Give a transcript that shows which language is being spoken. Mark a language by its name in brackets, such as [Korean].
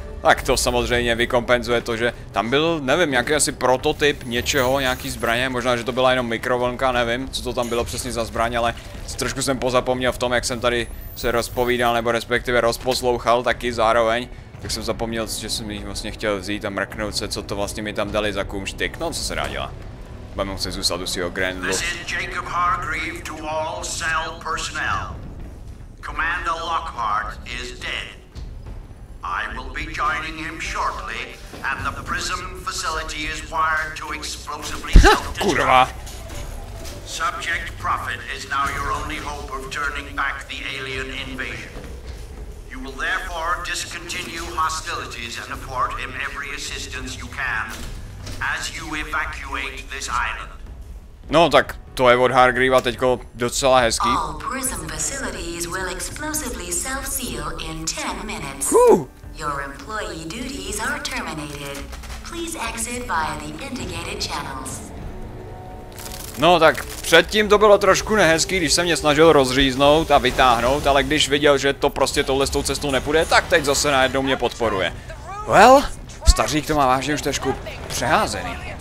[Czech] Tak to samozřejmě vykompenzuje to, že tam byl, nevím, nějaký asi prototyp něčeho, nějaký zbraně, možná, že to byla jenom mikrovlnka, nevím, co to tam bylo přesně za zbraň, ale trošku jsem pozapomněl v tom, jak jsem tady se rozpovídal, nebo respektive rozposlouchal taky zároveň, tak jsem zapomněl, že jsem jich vlastně chtěl vzít a mrknout se, co to vlastně mi tam dali za kumštyk, no co se dá dělat. Budeme muset zůstat u svého Grendlu. [English] This is Jacob Hargreave to all cell personnel. Commander Lockhart is dead. I will be joining him shortly, and the Prism facility is wired to explosively self-destruct. Subject Prophet is now your only hope of turning back the alien invasion. You will therefore discontinue hostilities and afford him every assistance you can as you evacuate this island. [Czech] No, tak to je od Hargreeva teďko docela hezký. [English] All Prism facilities will explosively self-seal in 10 minutes. Your employee duties are terminated. Please exit via the indicated channels. [Czech] No, tak předtím to bylo trošku nehezký, když se mě snažil rozříznout a vytáhnout, ale když viděl, že to prostě touhle s tou cestou nepůjde, tak teď zase najednou mě podporuje. Well, stařík to má vážně už trošku přeházený.